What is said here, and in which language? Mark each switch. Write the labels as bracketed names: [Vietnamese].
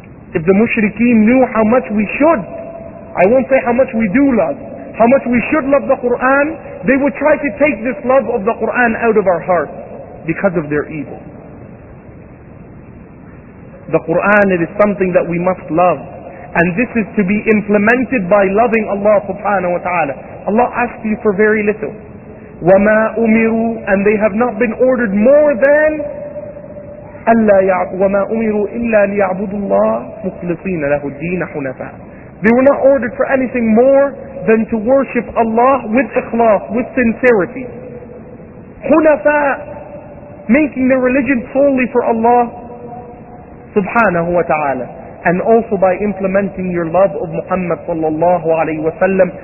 [English] If the mushrikeen knew how much we should, I won't say how much we do love, how much we should love the Qur'an, they would try to take this love of the Qur'an out of our hearts because of their evil. The Qur'an, it is something that we must love. And this is to be implemented by loving Allah subhanahu wa ta'ala. Allah asks you for very little. [Arabic] وَمَا أُمِرُوا. [English] And they have not been ordered more than [Arabic] وَمَا أُمِرُوا إِلَّا لِيَعْبُدُوا اللَّهِ مُخْلِصِينَ لَهُ الدِّينَ حُنَفَاءَ. [English] They were not ordered for anything more than to worship Allah with ikhlas, with sincerity. Hunafa, making the religion solely for Allah subhanahu wa ta'ala. And also by implementing your love of Muhammad sallallahu alayhi wa sallam.